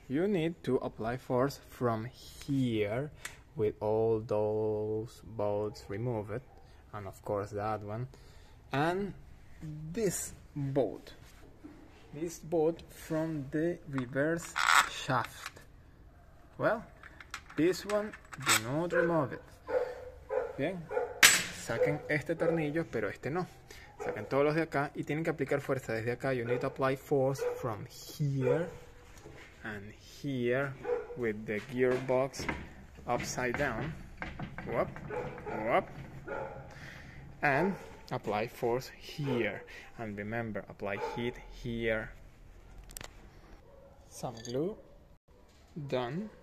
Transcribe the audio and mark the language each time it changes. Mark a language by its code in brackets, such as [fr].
[en] You need to apply force from here with all those bolts removed, and of course that one, and this bolt from the reverse shaft. Well, this one, do not remove it. [es] Bien. Saquen este tornillo, pero este no. Saquen todos los de acá y tienen que aplicar fuerza desde acá. [en] You need to apply force from here and here with the gearbox upside down. Whoop, whoop. And apply force here. And remember, apply heat here. Some glue. Done.